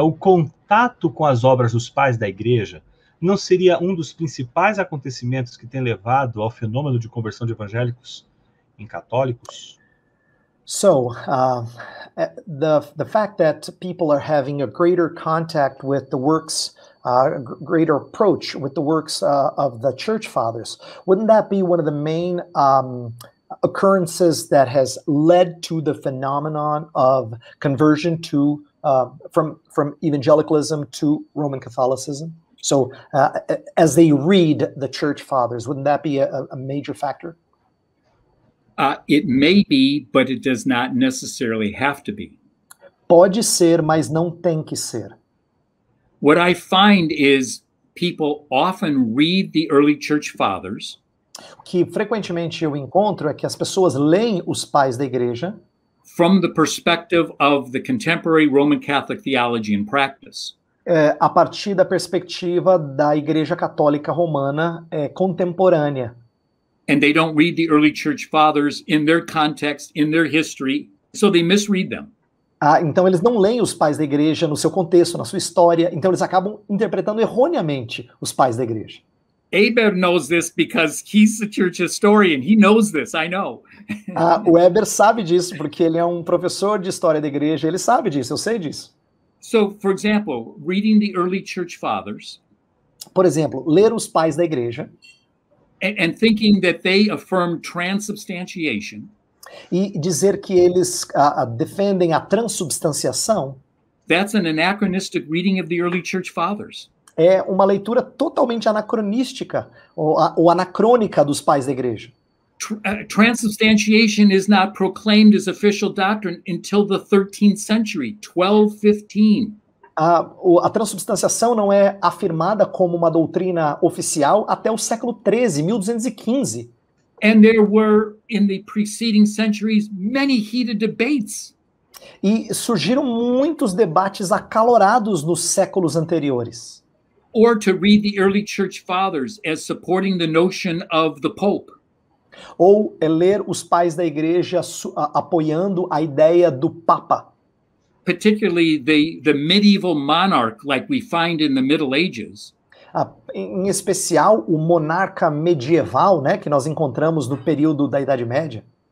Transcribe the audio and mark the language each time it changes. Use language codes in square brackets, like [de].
[pt] O contato com as obras dos pais da igreja não seria um dos principais acontecimentos que tem levado ao fenômeno de conversão de evangélicos em católicos? [en] The fact that people are having a greater contact with the works, greater approach with the works of the church fathers, wouldn't that be one of the main occurrences that has led to the phenomenon of conversion to from evangelicalism to Roman Catholicism? So, as they read the church fathers, wouldn't that be a major factor? It may be, but it does not necessarily have to be. [pt] Pode ser, mas não tem que ser. [en] What I find is people often read the early church fathers [pt] O que frequentemente eu encontro é que as pessoas leem os pais da igreja [en] from the perspective of the contemporary Roman Catholic theology and practice. [pt] a partir da perspectiva da Igreja Católica Romana contemporânea. [en] And they don't read the early church fathers in their context, in their history, so they misread them. [pt] Ah, então eles não leem os pais da igreja no seu contexto, na sua história, então eles acabam interpretando erroneamente os pais da igreja. [en] Eber knows this because he's the church historian. He knows this, I know. [pt] Ah, o Weber sabe disso, porque ele é um professor de história da igreja, ele sabe disso, eu sei disso. [en] So, for example, reading the early church fathers. [pt] Por exemplo, ler os pais da igreja. [en] And thinking that they affirm transubstantiation, [pt] E dizer que eles defendem a transubstanciação [en] that's an anachronistic reading of the early church fathers. [pt] é uma leitura totalmente anacronística ou anacrônica dos pais da igreja. [en] Transubstantiation is not proclaimed as official doctrine until the 13th century, 1215. [pt] A transubstanciação não é afirmada como uma doutrina oficial até o século XIII, 1215. [en] And there were, in the preceding centuries, many heated debates. [pt] E surgiram muitos debates acalorados nos séculos anteriores. [en] Or to read the early church fathers as supporting the notion of the Pope. [pt] Ou é ler os pais da igreja apoiando a ideia do Papa. [en] Particularly the medieval monarch, like we find in the Middle Ages. [pt] Em especial o monarca medieval, né, que nós encontramos no período da Idade Média.